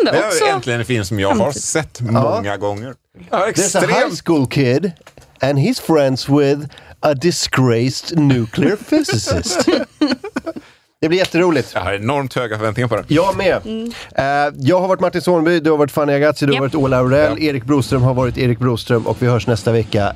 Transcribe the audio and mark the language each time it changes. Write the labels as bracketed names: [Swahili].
[Swedish] Det är äntligen en film som jag har sett många gånger. [English] There's a high school kid and he's friends with a disgraced nuclear physicist. [Swedish] Det blir jätteroligt. Jag har enormt höga förväntningar på den. Jag med. Mm. Jag har varit Martin Sonby, du har varit Fanny Agazzi, du har varit Ola Aurell, Erik Broström har varit Erik Broström och vi hörs nästa vecka.